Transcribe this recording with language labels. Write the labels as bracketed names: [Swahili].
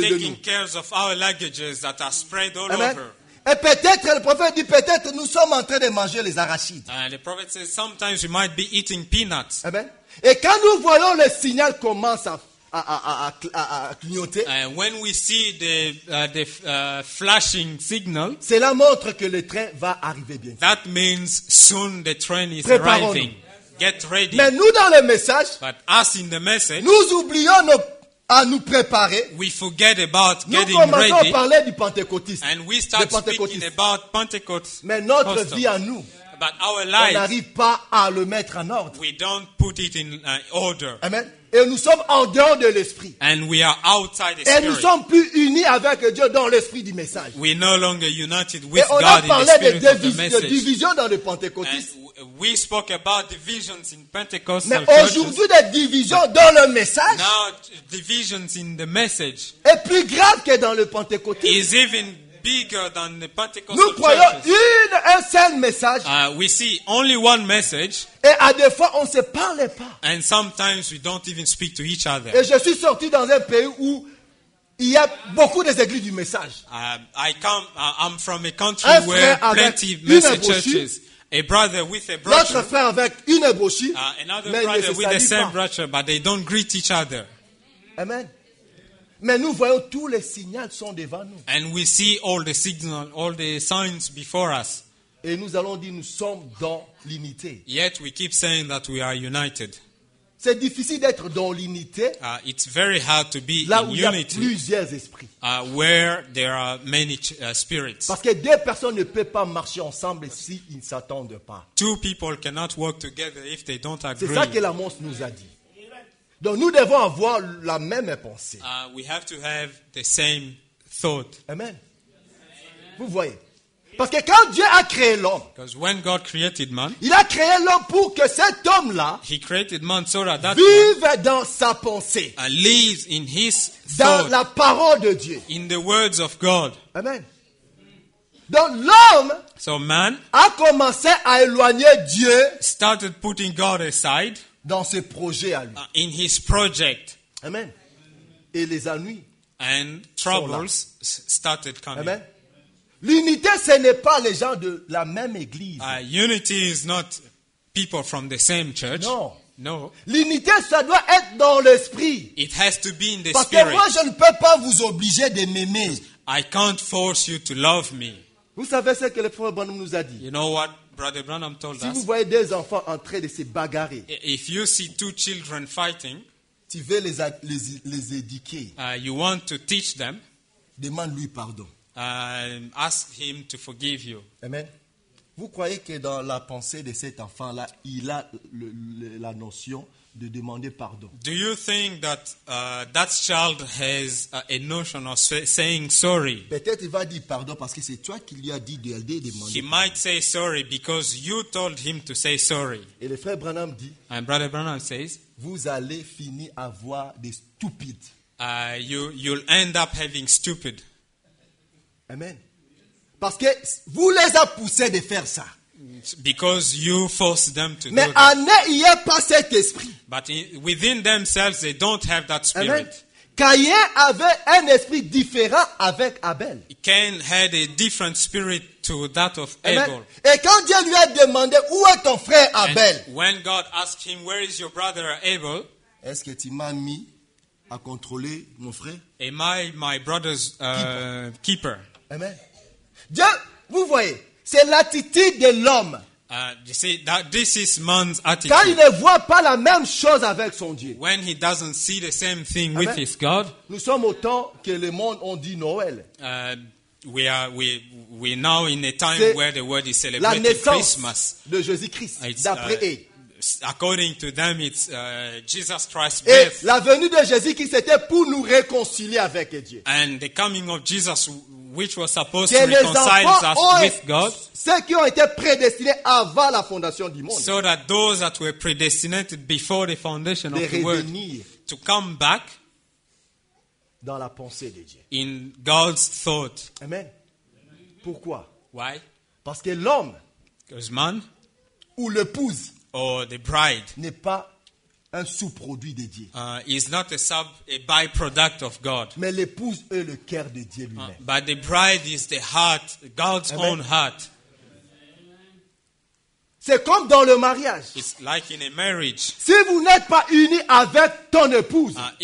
[English] taking care of our luggages that are spread all Amen. Over. [French] Et peut-être le prophète dit peut-être nous sommes en train de manger les arachides. [English] And the prophet says sometimes we might be eating peanuts. Amen. [French] Et quand nous voyons le signal commence à clignoter. [English] And when we see the flashing signal, [French] cela montre que le train va arriver bientôt. [English] That means soon the train is arriving. Get ready. [French] Mais nous dans le message, [English] but us in the message, [French] nous oublions à nous préparer. [English] We forget about [French] nous [English] getting ready. [French] Nous commençons à parler du pentecôtisme. [English] And we start speaking about Pentecost. [French] Mais notre vie à nous, [English] but our life, [French] on n'arrive pas à le mettre en ordre. [English] We don't put it in order. Amen. [French] Et nous sommes en dehors de l'esprit. [English] And we are outside the spirit. [French] Et nous sommes plus unis avec Dieu dans l'esprit du message. [English] We are no longer united with God in the spirit of the message. [French] Et on a parlé de division dans le pentecôtisme. [English] We spoke about divisions in Pentecostal [French] Mais aujourd'hui, des divisions dans le message. [English] Now, divisions in the message [French] est plus grave que dans le pentecôtisme. [English] Is even bigger than the Pentecostal [French] Nous croyons un seul message. [English] We see only one message. [French] Et à des fois, on ne se parlait pas. [English] And sometimes we don't even speak to each other. [French] Et je suis sorti dans un pays où il y a beaucoup des églises du message. [English] I'm from a country where plenty message churches. A brother with a brochure. [French] L'autre frère avec une brochure. [English] Another brother with the same brochure, but they don't greet each other. Amen. [French] Mais nous voyons tous les signaux sont devant nous. [English] And we see all the signals, all the signs before us. [French] Et nous allons dire nous sommes dans l'unité. [English] Yet we keep saying that we are united. [French] C'est difficile d'être dans l'unité. [English] It's very hard to be [French] là [English] in [French] où [English] unity. [French] Il y a plusieurs esprits. [English] Where there are many spirits. [French] Parce que deux personnes ne peuvent pas marcher ensemble si ils ne s'attendent pas. [English] Two people cannot work together if they don't agree. [French] C'est ça que l'Amos nous a dit. Donc nous devons avoir la même pensée. [English] We have to have the same thought. [French] Amen. Vous voyez. Parce que quand Dieu a créé l'homme, [English] because when God created man, [French] il a créé l'homme pour que cet homme-là, [English] he created man so that that [French] vive dans sa pensée, [English] and lives in his [French] dans [English] thought, [French] la parole de Dieu. [English] In the words of God. [French] Amen. Donc l'homme, [English] so man, [French] a commencé à éloigner Dieu, [English] started putting God aside, [French] dans ses projets à lui. [English] In his project. [French] Amen. Et les ennuis, [English] and troubles started coming. Amen. [French] L'unité, ce n'est pas les gens de la même église. [English] Unity is not people from the same church. [French] Non. [English] No. [French] L'unité, ça doit être dans l'esprit. [English] It has to be in the [French] Parce [English] spirit. [French] Parce que moi, je ne peux pas vous obliger de m'aimer. [English] I can't force you to love me. [French] Vous savez ce que le frère Branham nous a dit. [English] You know what Brother Branham told us? [French] Si vous voyez deux enfants en train de se bagarrer, [English] if you see two children fighting, [French] tu veux les éduquer. [English] You want to teach them. [French] Demande-lui pardon. [English] Ask him to forgive you. Amen. [French] Vous croyez que dans la pensée de cet enfant-là, il a la notion de demander pardon? [English] Do you think that that child has a notion of saying sorry? [French] Peut-être il va dire pardon parce que c'est toi qui lui as dit de demander pardon. [English] He might say sorry because you told him to say sorry. [French] Et le frère Branham dit, [English] and Brother Branham says, [French] vous allez finir à voir des stupides. [English] You'll end up having stupid. Amen. [French] Parce que vous les avez poussés de faire ça. [English] Because you force them to [French] mais [English] do that. [French] Mais en eux, il n'y a pas cet esprit. [English] But within themselves, they don't have that spirit. Amen. [French] Caïn avait un esprit différent avec Abel. [English] Cain had a different spirit to that of Abel. Amen. [French] Et quand Dieu lui a demandé, où est ton frère Abel? [English] And when God asked him, where is your brother Abel? [French] Est-ce que tu m'as mis à contrôler mon frère? [English] Am I my brother's keeper? Amen. [French] Dieu, vous voyez, c'est l'attitude de l'homme. [English] You see, that this is man's attitude. [French] Quand il ne voit pas la même chose avec son Dieu. [English] When he doesn't see the same thing Amen. With his God. [French] Nous sommes au temps que le monde on dit Noël. [English] We are now in a time [French] c'est [English] where the world is celebrating Christmas. [French] De Jésus-Christ, d'après eux. [English] According to them, it's Jesus Christ's [French] et [English] birth. [French] La venue de Jésus qui c'était pour nous réconcilier avec Dieu. [English] And the coming of Jesus, which was supposed to reconcile us with God. [French] Ceux qui ont été prédestinés avant la fondation du monde. [English] So that those that were predestinated before the foundation [French] de [English] of the world to come back [French] dans la pensée de Dieu. [English] In God's thought. [French] Amen. Pourquoi? [English] Why? [French] Parce que l'homme, [English] because man, [French] ou l'épouse, [English] or the bride, [French] n'est pas un sous-produit de Dieu. [English] Is not a byproduct of God. [French] Mais l'épouse est le cœur de Dieu lui-même. [English] But the bride is the heart, God's Amen. Own heart. [French] C'est comme dans le mariage. [English] It's like in a marriage. [French] Si vous n'êtes pas uni avec ton épouse,